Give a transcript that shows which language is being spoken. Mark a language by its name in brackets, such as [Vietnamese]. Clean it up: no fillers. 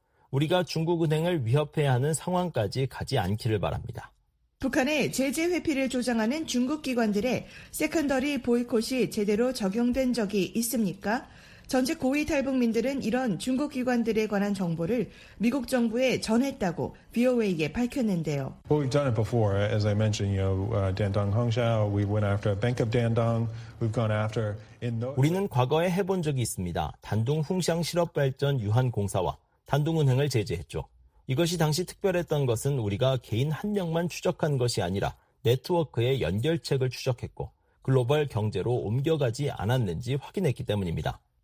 [Korean] 우리가 중국은행을 위협해야 하는 상황까지 가지 않기를 바랍니다. 북한의 제재 회피를 조장하는 중국 기관들의 세컨더리 보이콧이 제대로 적용된 적이 있습니까? 전직 고위 탈북민들은 이런 중국 기관들에 관한 정보를 미국 정부에 전했다고 VOA에 밝혔는데요. [English] Well, we've done it before, as I mentioned, you know, Dandong Hongxiao. We went after Bank of Dandong. We've gone after. [Korean] 우리는 과거에 해본 적이 있습니다. 단둥 홍샹 실업발전 유한공사와 단둥은행을 제재했죠. 이것이 당시 특별했던 것은 우리가 개인 한 명만 추적한 것이 아니라 네트워크의 연결책을 추적했고 글로벌 경제로 옮겨가지 않았는지 확인했기 때문입니다.